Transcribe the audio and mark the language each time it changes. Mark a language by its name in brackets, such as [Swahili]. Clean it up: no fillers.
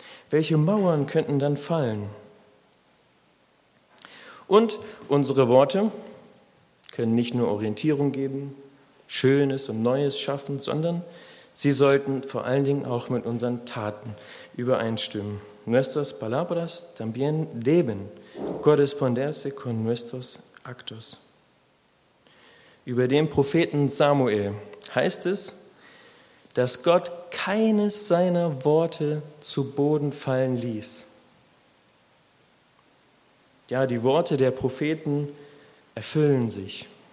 [German] Welche Mauern könnten dann fallen? Und unsere Worte können nicht nur Orientierung geben, Schönes und Neues schaffen, sondern sie sollten vor allen Dingen auch mit unseren Taten übereinstimmen. [Spanish] Nuestras palabras también deben corresponderse con nuestros actos. [German] Über den Propheten Samuel heißt es, dass Gott keines seiner Worte zu Boden fallen ließ. Ja, die Worte der Propheten erfüllen sich.